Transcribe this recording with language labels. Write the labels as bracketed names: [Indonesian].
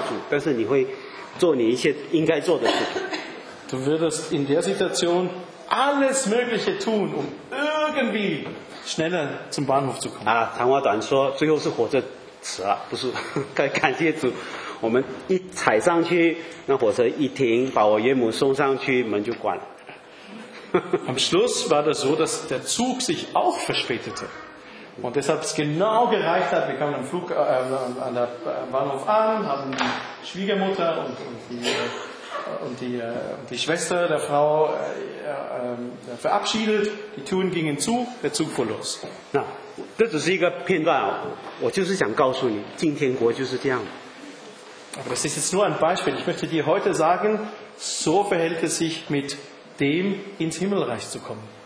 [Chinese] 你会拼一切的努力，当然也靠主，但是你会做你一切应该做的事情。 [German] Du würdest in der Situation alles Mögliche tun, um irgendwie schneller zum Bahnhof zu kommen. [Chinese] 啊，长话短说，最后是火车迟了，不是。感谢主，我们一踩上去，那火车一停，把我岳母送上去，门就关了。 [German] Am Schluss war das so, dass der Zug sich auch verspätete. Und deshalb es genau gereicht hat, wir kamen am Flug, an der Bahnhof an, haben die Schwiegermutter und die Schwester der Frau verabschiedet, die Türen gingen zu, der Zug fuhr los. [Chinese] Na, 这只是一个片段，我就是想告诉你，敬天国就是这样。 [German] Aber das ist jetzt nur ein Beispiel. Ich möchte dir heute sagen, so verhält es sich mit dem, ins Himmelreich zu kommen.